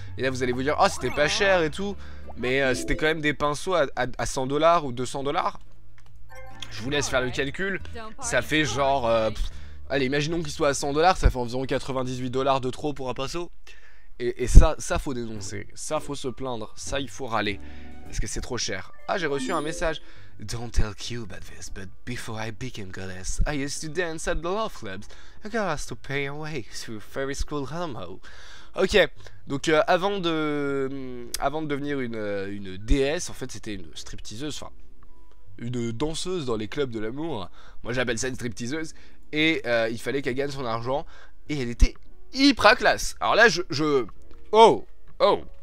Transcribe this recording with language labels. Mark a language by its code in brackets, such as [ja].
[fr] Et là, vous allez vous dire, oh, c'était pas cher et tout. Mais c'était quand même des pinceaux à 100$ ou 200$. Je vous laisse faire le calcul. Ça fait genre... allez, imaginons qu'il soit à 100$, ça fait environ 98$ de trop pour un pinceau. Et ça, ça faut dénoncer. Ça, faut se plaindre. Ça, il faut râler. Parce que c'est trop cher. Ah, j'ai reçu un message. [en] Don't tell Q about this, but before I became goddess, I used to dance at the love clubs. I got asked to pay away through fairy school somehow. [fr] Ok, donc avant de devenir une déesse, en fait c'était une stripteaseuse, enfin une danseuse dans les clubs de l'amour. Moi j'appelle ça une stripteaseuse. Et il fallait qu'elle gagne son argent. Et elle était hyper classe. Alors là, je... Oh, oh.